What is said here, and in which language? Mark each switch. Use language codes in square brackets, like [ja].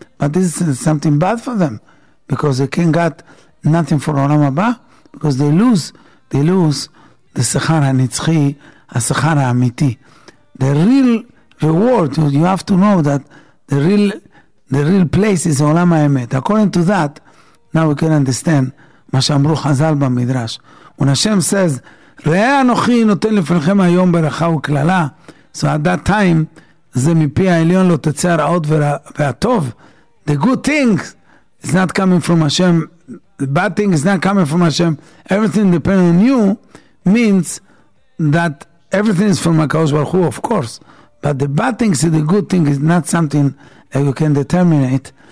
[en] But this is something bad for them, because they can't get nothing for Olam Haba, because they lose the sechar hanitzchi, sechar ha'amiti. The real reward, you have to know that the real place is Olam Ha'emet. According to that, now we can understand [he] מה שאמרו חזל במדרש. [en] When Hashem says, [he] ראה אנוכי נותן לפניכם היום ברכה וכללה, [en] so at that time, [he] זה מפי העליון לא תצא הרעות והטוב. [en] The good thing is not coming from Hashem. The bad thing is not coming from Hashem. Everything depends on you means that everything is from HaKadosh Baruch Hu, of course. But the bad thing is the good thing is not something that you can determine it.